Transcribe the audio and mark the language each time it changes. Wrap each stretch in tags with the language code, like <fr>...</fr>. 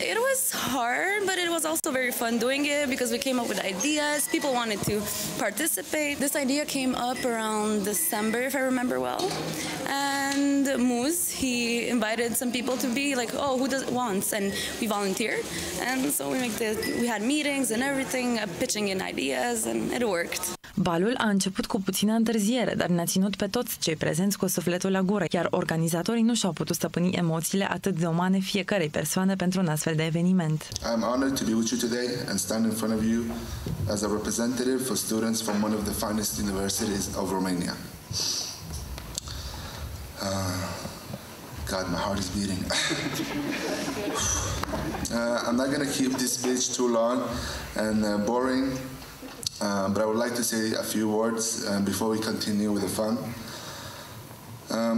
<en>It was hard, but it was also very fun doing it because we came up with ideas, people wanted to participate. This idea came up around December, if I remember well. And Moose, he invited some people to be like, oh, who does it wants? And we volunteered. And so we had meetings and everything, pitching in ideas, and it worked.</en> <ro>Balul a început cu puțină întârziere, dar ne-a ținut pe toți cei prezenți cu sufletul la gură, iar organizatorii nu și-au putut stăpâni emoțiile atât de umane fiecarei persoane pentru un astfel de eveniment.</ro> <en>I am honored to be with you today and stand in front of you as a representative for students from one of the finest universities of Romania. God, my heart is beating. I'm not going to keep this speech too long and boring, but I would like to say a few words before we continue with the fun.</en>